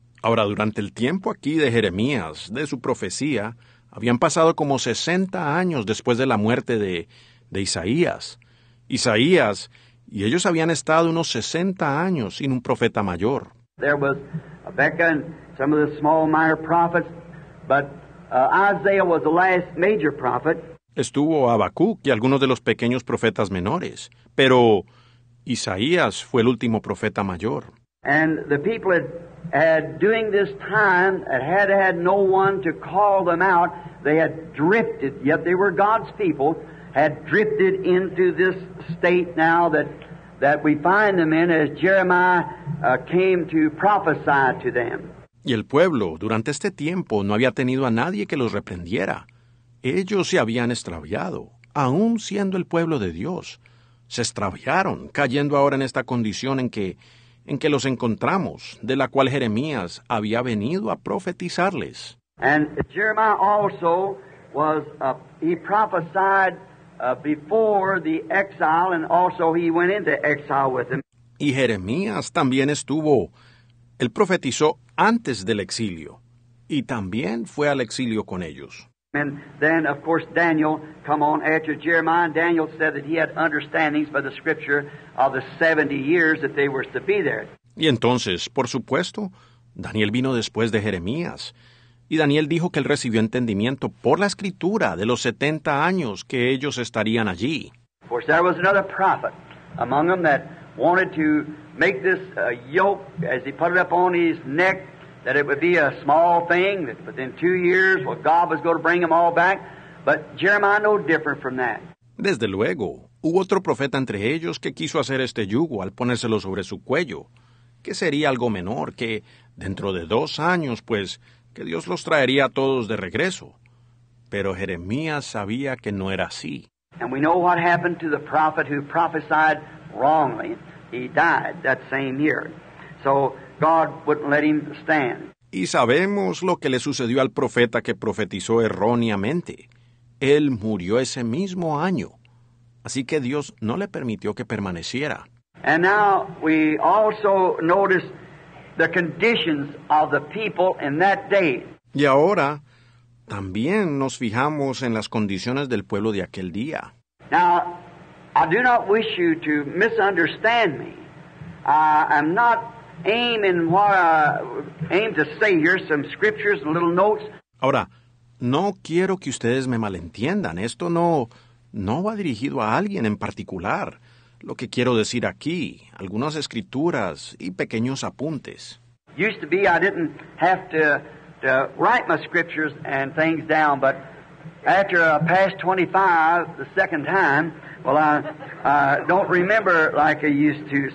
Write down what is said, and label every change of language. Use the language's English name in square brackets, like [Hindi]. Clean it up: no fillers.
[Spanish] Ahora, durante el tiempo aquí de Jeremías, de su profecía, habían pasado como 60 años después de la muerte de Isaías. Isaías y ellos habían estado unos 60 años sin un profeta mayor. [English] There was Habakkuk and some of the small minor prophets, but Isaiah was the last major prophet. [Spanish] Estuvo Habacuc y algunos de los pequeños profetas menores, pero Isaías fue el último profeta mayor. [English] And the people had during this time had no one to call them out. They had drifted, yet they were God's people, had drifted into this state now that we find them in as Jeremiah came to prophesy to them. [Spanish] Y el pueblo, durante este tiempo, no había tenido a nadie que los reprendiera. Ellos se habían extraviado, aún siendo el pueblo de Dios. Se extraviaron, cayendo ahora en esta condición en que los encontramos, de la cual Jeremías había venido a profetizarles. [English] And Jeremiah also was, he prophesied before the exile, and also he went into exile with them. [Spanish] Y Jeremías también estuvo, él profetizó antes del exilio, y también fue al exilio con ellos. [English] And then, of course, Daniel come on after Jeremiah, and Daniel said that he had understandings by the scripture of the 70 years that they were to be there. [Spanish] Y entonces, por supuesto, Daniel vino después de Jeremías, y Daniel dijo que él recibió entendimiento por la escritura de los 70 años que ellos estarían allí. [English] Of course, there was another prophet among them that wanted to make this yoke, as he put it up on his neck, that it would be a small thing, that within 2 years, well, God was going to bring them all back. But Jeremiah no different from that. [Spanish] Desde luego, hubo otro profeta entre ellos que quiso hacer este yugo al ponérselo sobre su cuello, que sería algo menor, que dentro de 2 años, pues, que Dios los traería a todos de regreso. Pero Jeremías sabía que no era así. [English] And we know what happened to the prophet who prophesied wrongly. He died that same year. So God wouldn't let him stand. [Spanish] Y sabemos lo que le sucedió al profeta que profetizó erróneamente. Él murió ese mismo año. Así que Dios no le permitió que permaneciera. [English] And now we also notice the conditions of the people in that day. [Spanish] Y ahora también nos fijamos en las condiciones del pueblo de aquel día. [English] Now, I do not wish you to misunderstand me. I'm not aiming what I aim to say here, some scriptures, little notes. [Spanish] Ahora, no quiero que ustedes me malentiendan. Esto no va dirigido a alguien en particular. Lo que quiero decir aquí, algunas escrituras y pequeños apuntes. [English] Used to be I didn't have to write my scriptures and things down, but after I passed 25 the second time, well, I don't remember like I used to.